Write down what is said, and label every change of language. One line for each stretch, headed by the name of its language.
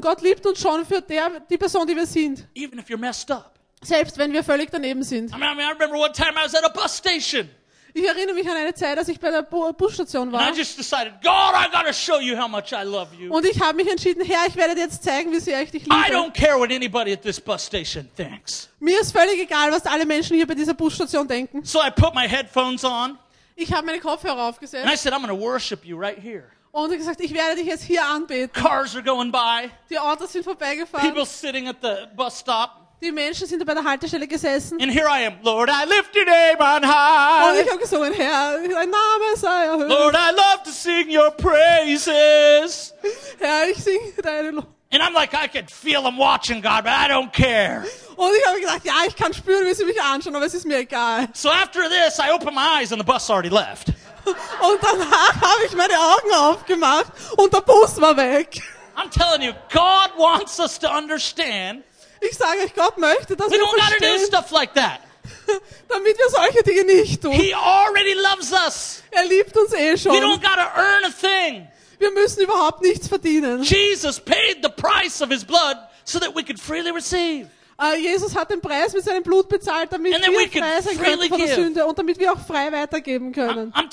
German: Gott liebt uns schon für die Person, die wir sind.
English: Even if you're messed up.
German: Selbst wenn wir völlig daneben sind.
English: I remember one time I was at a bus station.
German: Ich erinnere mich an eine Zeit, als ich bei der Busstation war.
English: And I just decided, God, I gotta show you how much I love you.
German: Und ich habe mich entschieden, Herr, ich werde dir jetzt zeigen, wie sehr ich dich liebe.
English: I don't care what anybody at this bus station thinks.
German: Mir ist völlig egal, was alle Menschen hier bei dieser Busstation denken.
English: So I put my headphones on.
German: Ich habe meine Kopfhörer aufgesetzt.
English: And I said, I'm gonna worship you right here.
German: Und gesagt, ich werde dich jetzt hier anbeten.
English: Cars are going by.
German: Die Autos sind vorbeigefahren.
English: People sitting at the bus stop.
German: Die Menschen sind da bei der Haltestelle gesessen.
English: And here I am, Lord, I lift your name on high.
German: Und ich habe gesungen, Herr, dein Name sei erhöht.
English: Lord, I love to sing your praises.
German: Herr, ich singe deine Lob.
English: And I'm like, I could feel them watching God, but I don't care.
German: Und ich habe gesagt, ja, ich kann spüren, wie sie mich anschauen, aber es ist mir egal.
English: So after this, I open my eyes and the bus already left.
German: Und danach habe ich meine Augen aufgemacht und der Bus war weg.
English: I'm telling you, God wants us to understand.
German: Ich sage euch, Gott möchte, dass wir verstehen.
English: We don't gotta do stuff like that.
German: Damit wir solche Dinge nicht tun.
English: He already loves us.
German: Er liebt uns eh schon.
English: We don't gotta earn a thing.
German: Wir müssen überhaupt nichts verdienen.
English: Jesus paid the price of his blood so that we could freely receive.
German: Jesus hat den Preis mit seinem Blut bezahlt, damit wir frei sein können von der Sünde und damit wir auch frei weitergeben können.